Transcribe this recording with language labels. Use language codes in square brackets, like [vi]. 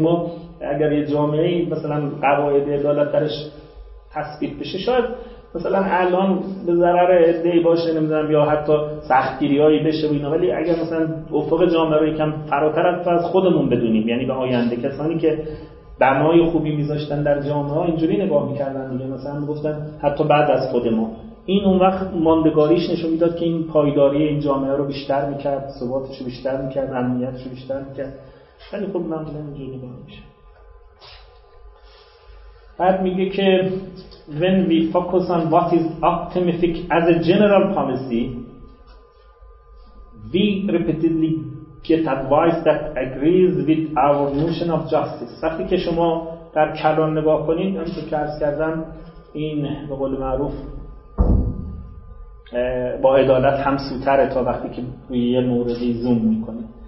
[fa] یعنی ما اگر یه جامعه مثلا قواعد عدالت درش تثبیت بشه، شاید مثلا الان به ضرر عده‌ای باشه، نمیدونم، یا حتی سختگیری‌هایی بشه و اینا، ولی اگر مثلا افق جامعه رو یکم فراتر از خودمون بدونیم، یعنی به آینده، کسانی که بنای خوبی میذاشتن در جامعه اینجوری نگاه میکردن دیگه، مثلا میگفتن حتی بعد از خود ما، این اون وقت ماندگاریش نشون میداد که این پایداری این جامعه رو بیشتر میکرد، ثباتش رو بیشتر میکرد، امنیتش رو بیشتر میکرد. ولی خب معمولا اینجوری نگاه میشه. بعد میگه که [en] when we focus on what is optimistic as a general policy, we repeatedly get advice that agrees with our notion of justice. [fa] وقتی که شما در کلان نگاه کنید، همونطور که عرض کردم، این به قول معروف با عدالت همسوتره تا وقتی که روی یه موردی زوم میکنید.